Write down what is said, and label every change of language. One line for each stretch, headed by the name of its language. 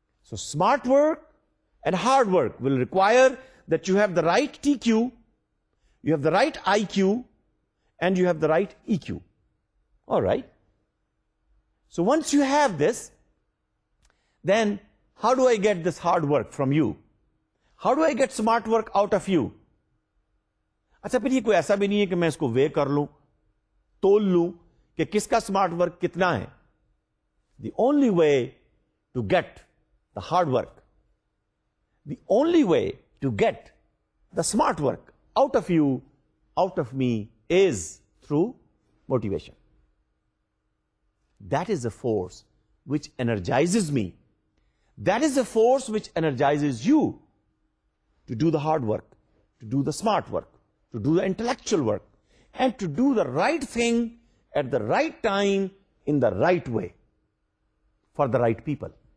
English: So smart work and hard work will require that you have the right TQ, you have the right IQ, and you have the right EQ. All right. So once you have this, then how do I get this hard work from you? How do I get smart work out of you?
Urdu: اچھا پھر یہ کوئی ایسا بھی نہیں ہے کہ میں اس کو وے کر لوں, تول لوں کہ کس کا smart work کتنا ہے.
English: The only way to get the hard work, the only way to get the smart work out of you, out of me, is through motivation. That is a force which energizes me. That is a force which energizes you to do the hard work, to do the smart work, to do the intellectual work, and to do the right thing at the right time in the right way for the right people.